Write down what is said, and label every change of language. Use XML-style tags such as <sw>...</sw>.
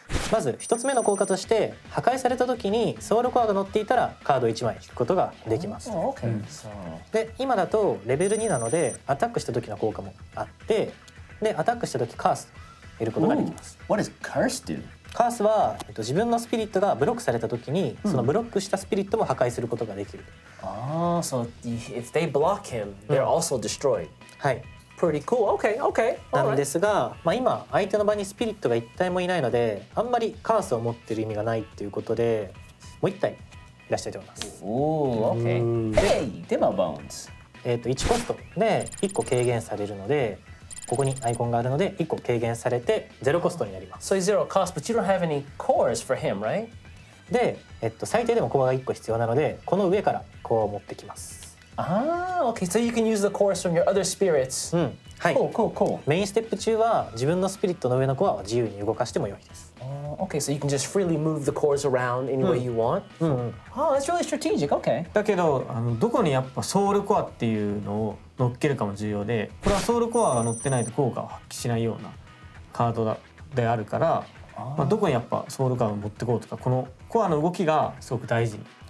<ja>まず一つ目の効果として破壊された時にソウルコアが乗っていたらカード1枚引くことができます。</ja> <en>Oh, okay. So...</en> <ja>で今だとレベル2なのでアタックした時の効果もあってでアタックした時カースを得ることができます。</ja> <en>Ooh, what does curse do?</en> <ja>カースは、自分のスピリットがブロックされた時にそのブロックしたスピリットも破壊することができる。</ja> <en>So if they block him, they're also destroyed.</en> <ja>はい。</ja> <en>Pretty cool. Okay, okay.</en> <ja>なんですが、まあ、今相手の場にスピリットが一体もいないのであんまりカースを持ってる意味がないっていうことでもう一体いらしたいと思います。</ja> <en>Ooh, okay. Hey, Demo Bones.</en> <ja>1コストで1個軽減されるのでここにアイコンがあるので1個軽減されて0コストになります。</ja> <en>So it's zero cost, but you don't have any cores for him, right?</en> <ja>で、最低でもコアが1個必要なのでこの上からコアを持ってきます。</ja> <en>Ah, okay. So you can use the cores from your other spirits. Cool.</en> <ja>メインステップ中は自分のスピリットの上のコアを自由に動かしても良いです。</ja> <en>Okay. So you can just freely move the cores around any way you want. Oh, that's really strategic. Okay.</en> <ja>だけどどこにやっぱソウルコアっていうのを乗っけるかも重要で、これはソウルコアが乗ってないと効果を発揮しないようなカードであるから、まあ、どこにやっぱソウルコアを持ってこうとか、このコアの動きがすごく大事に。</ja>